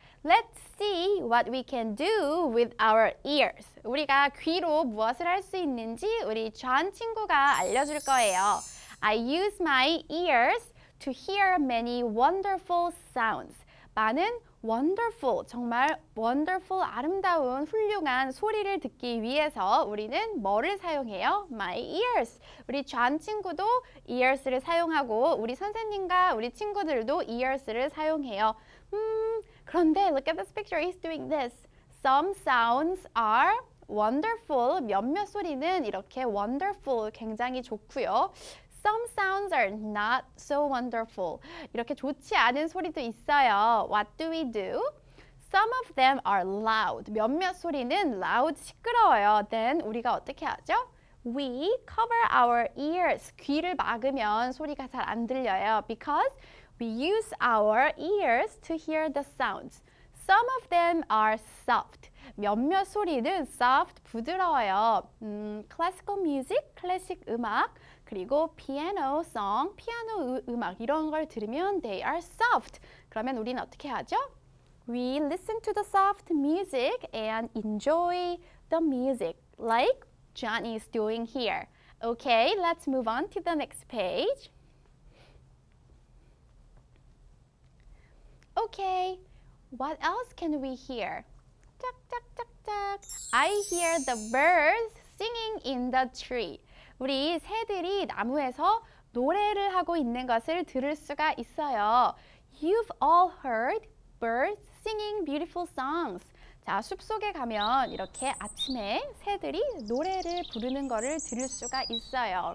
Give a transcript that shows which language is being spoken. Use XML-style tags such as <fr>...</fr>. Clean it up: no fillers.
<en>Let's see what we can do with our ears.</en> <ko>우리가 귀로 무엇을 할 수 있는지 우리 존 친구가 알려줄 거예요.</ko> <en>I use my ears to hear many wonderful sounds.</en> <ko>많은 wonderful, 정말 wonderful, 아름다운, 훌륭한 소리를 듣기 위해서 우리는 뭐를 사용해요?</ko> <en>My ears.</en> <ko>우리 존 친구도 ears를 사용하고 우리 선생님과 우리 친구들도 ears를 사용해요.</ko> <en>그런데 look at this picture, he's doing this. Some sounds are wonderful.</en> <ko>몇몇 소리는 이렇게 wonderful, 굉장히 좋고요.</ko> <en>Some sounds are not so wonderful.</en> <ko>이렇게 좋지 않은 소리도 있어요.</ko> <en>What do we do? Some of them are loud.</en> <ko>몇몇 소리는 loud, 시끄러워요. Then 우리가 어떻게 하죠?</ko> <en>We cover our ears.</en> <ko>귀를 막으면 소리가 잘 안 들려요.</ko> <en>Because we use our ears to hear the sounds. Some of them are soft.</en> <ko>몇몇 소리는 soft, 부드러워요.</ko> <en>Classical music,</en> <ko>클래식 음악. 그리고 피아노 song, 피아노 음악 이런 걸 들으면</ko> <en>they are soft.</en> <ko>그러면 우리는 어떻게 하죠?</ko> <en>We listen to the soft music and enjoy the music like Johnny is doing here. Okay, let's move on to the next page. Okay, what else can we hear? Tuck, tuck, tuck, tuck. I hear the birds singing in the tree.</en> <ko>우리 새들이 나무에서 노래를 하고 있는 것을 들을 수가 있어요.</ko> <en>You've all heard birds singing beautiful songs.</en> <ko>자, 숲속에 가면 이렇게 아침에 새들이 노래를 부르는 것을 들을 수가 있어요.</ko>